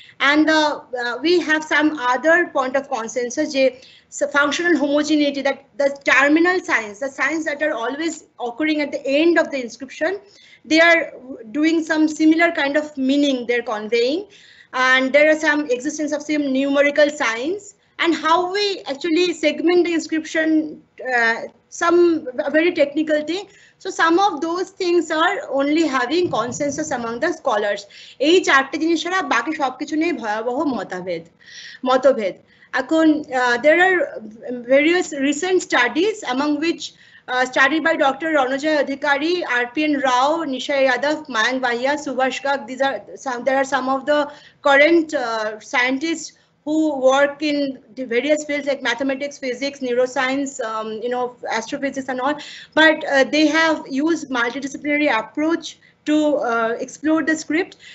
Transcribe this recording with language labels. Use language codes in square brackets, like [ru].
[en] And we have some other point of consensus, so functional homogeneity, that the terminal signs, the signs that are always occurring at the end of the inscription, they are doing some similar kind of meaning they're conveying. And there are some existence of some numerical signs. And how we actually segment the inscription, some very technical thing. So some of those things are only having consensus among the scholars. [bn] এই চারটে জিনিস ছাড়া বাকি সব কিছু নিয়ে ভয়াবহ মতভেদ। এখন [en] there are various recent studies among which studied by Dr. Ranojay Adhikari, R.P.N. Rao, Nisha Yadav, Mayank Bahia, Subhash Gag. These are some, there are some of the current scientists who work in the various fields like mathematics, physics, neuroscience, you know, astrophysics and all, but they have used multidisciplinary approach to explore the script.